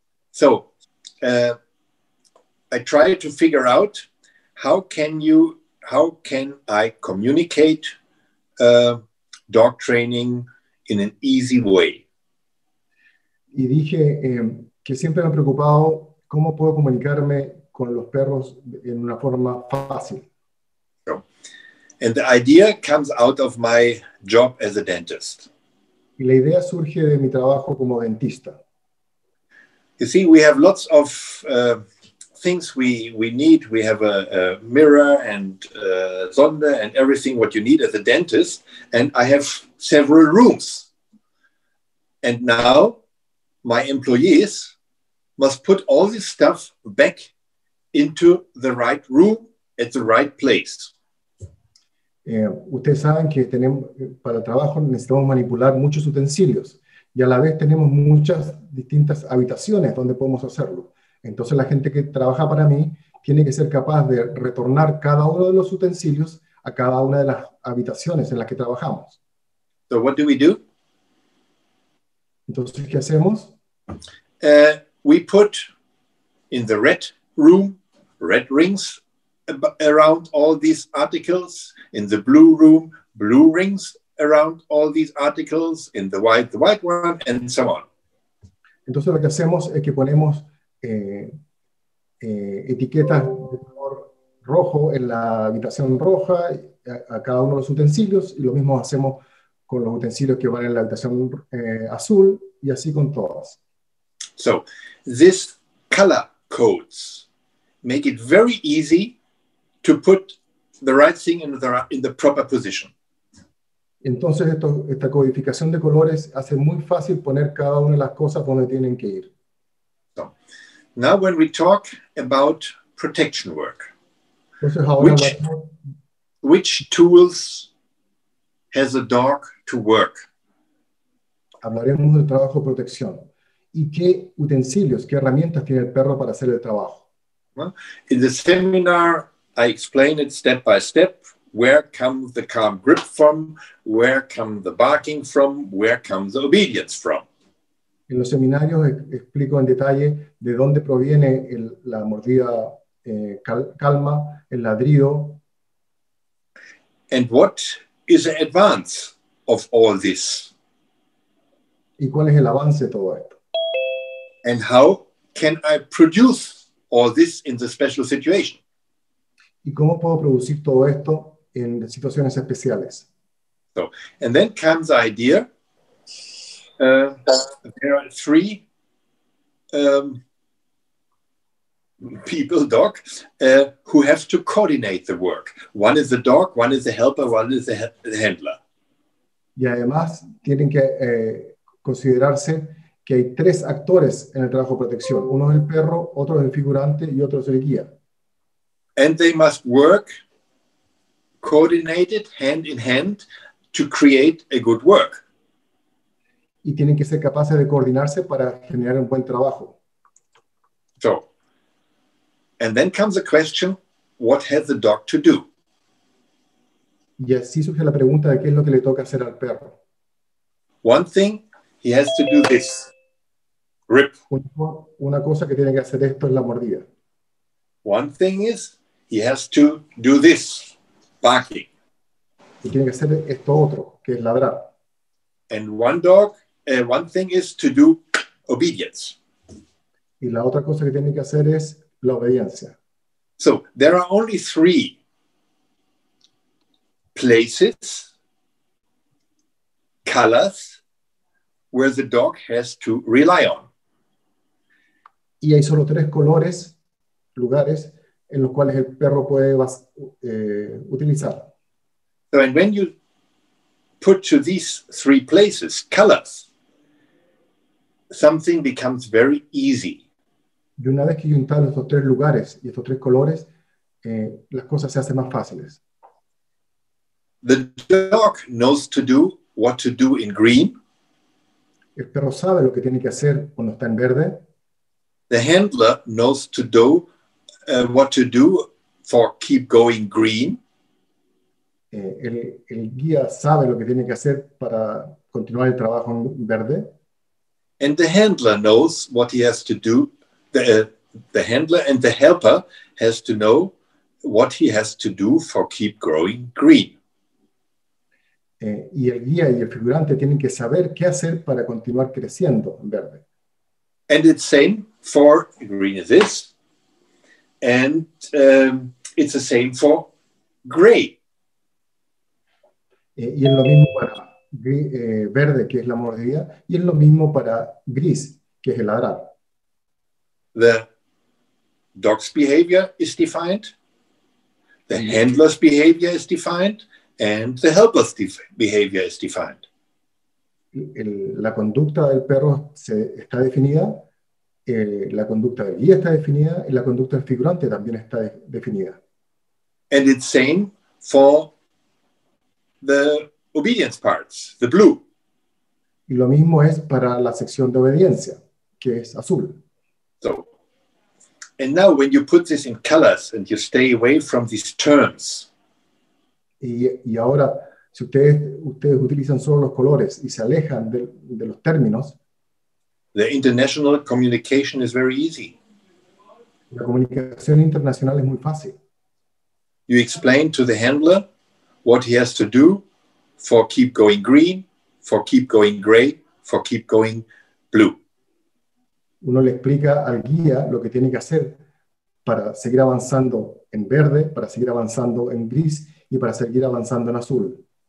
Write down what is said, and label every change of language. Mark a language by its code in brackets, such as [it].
[en] So I try to figure out how can I communicate dog training in an easy way. [es] Y dije que siempre me ha preocupado cómo puedo comunicarme con los perros en una forma fácil. [en] So, and the idea comes out of my job as a dentist. [es] Y la idea surge de mi trabajo como dentista. [en] You see, we have lots of things we need. We have a mirror and sonde and everything what you need as a dentist. And I have several rooms. And now my employees must put all this stuff back into the right room at the right place. [es] Ustedes saben que tenemos para el trabajo necesitamos manipular muchos utensilios y a la vez tenemos muchas distintas habitaciones donde podemos hacerlo. Entonces la gente que trabaja para mí tiene que ser capaz de retornar cada uno de los utensilios a cada una de las habitaciones en las que trabajamos. [en] So what do we do? [es] Entonces, ¿qué hacemos? [en] We put in the red room red rings around all these articles, in the blue room, blue rings around all these articles, in the white one, and so on. [es] Entonces lo que hacemos es que ponemos etiquetas de color rojo en la habitación roja a cada uno de los utensilios, y lo mismo hacemos con los utensilios que van en la habitación azul, y así con todas. [en] So, these color codes make it very easy to put the right thing in the proper position. [es] Entonces esta codificación de colores hace muy fácil poner cada una de las cosas donde tienen que ir. [en] So, now when we talk about protection work, [es] entonces, ahora [en] which tools has a dog to work? [es] Hablaremos del trabajo de protección. ¿Y qué utensilios, qué herramientas tiene el perro para hacer el trabajo? [en] Well, in the seminar, I explain it step by step. Where comes the calm grip from? Where comes the barking from? Where comes the obedience from? [es] En los seminarios explico en detalle de dónde proviene la mordida calma, el ladrido. [en] And what is the advance of all this? [es] ¿Y cuál es el avance de todo esto? [en] And how can I produce all this in the special situation? [es] ¿Y cómo puedo producir todo esto en situaciones especiales? [en] So, and then comes the idea. There are three people, dog, who have to coordinate the work. One is the dog, one is the helper, one is the handler. [es] Y además tienen que considerarse que hay tres actores en el trabajo de protección. Uno es el perro, otro es el figurante y otro es el guía. [en] And they must work coordinated hand in hand to create a good work. [es] Y tienen que ser capaces de coordinarse para generar un buen trabajo. [en] So, and then comes the question, what has the dog to do? [es] Y así surge la pregunta de qué es lo que le toca hacer al perro. [en] One thing, he has to do this, Rip. [es] Una cosa que tiene que hacer esto es la mordida. [en] One thing is he has to do this, barking. [es] Y tiene que hacer esto otro, que es ladrar. [en] And one dog, one thing is to do obedience. [es] Y la otra cosa que tiene que hacer es la obediencia. [en] So there are only three places, colors, where the dog has to rely on. [es] Y hay solo tres colores, lugares, en los cuales el perro puede utilizar. [en] So, and when you put to these three places, colors, something becomes very easy. [es] Y una vez que yo instalo estos tres lugares y estos tres colores, las cosas se hacen más fáciles. [en] The dog knows to do what to do in green. [es] El perro sabe lo que tiene que hacer cuando está en verde. [en] The handler knows to do what to do for keep going green. [es] El guía sabe lo que tiene que hacer para continuar el trabajo en verde. [en] And the handler knows what he has to do. The handler and the helper has to know what he has to do for keep growing green. [es] Y el guía y el figurante tienen que saber qué hacer para continuar creciendo en verde. [en] And it's same for green is this. And it's the same for gray. [es] Y es lo mismo para verde, que es la mordida, y es lo mismo para gris, que es el ladrar. [en] The dog's behavior is defined, the handler's behavior is defined, and the helper's behavior is defined. [es] La conducta del perro está definida, la conducta del guía está definida, y la conducta del figurante también está definida. [en] And it's same for the obedience parts, the blue. [es] Y lo mismo es para la sección de obediencia, que es azul. [en] So, and now when you put this in colors and you stay away from these terms. [es] Y ahora, si ustedes utilizan solo los colores y se alejan de los términos. [en] The international communication is very easy. [es] La comunicación internacional es muy fácil. [en] You explain to the handler what he has to do for keep going green, for keep going gray, for keep going blue. [es] Uno le explica al guía lo que tiene que hacer para seguir avanzando en verde, para seguir avanzando en gris y para seguir avanzando en azul.